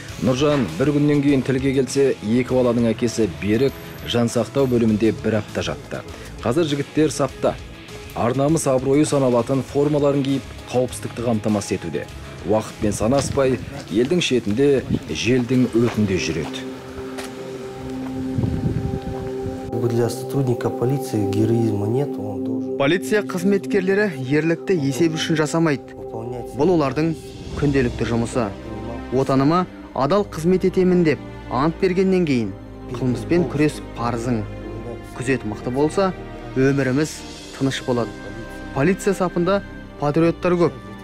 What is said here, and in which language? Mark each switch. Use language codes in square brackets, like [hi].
[kk] Нұржан бір күннен кейін тілге келсе, екі баланың әкесі Берік жансақтау бөлімінде бір апта жатты. Қазір жігіттер сапта. Арнамыз абыройы саналатын формаларын киіп, қауіпсіздікті қамтамасыз етуде. Уақытпен санаспай, елдің шетінде, желдің өтінде жүреді. [ru] Для сотрудника полиции героизма нет, он должен. [kk] Полиция қызметкерлері ерлікті есеп үшін жасамайды. Бұл олардың күнделікті жұмысы. Отаныма адал қызмет етемін деп ант бергеннен кейін қылмыспен күрес парызың. Күзет мықты болса, өміріміз тыныш болады. Полиция сапында патриоттар көп.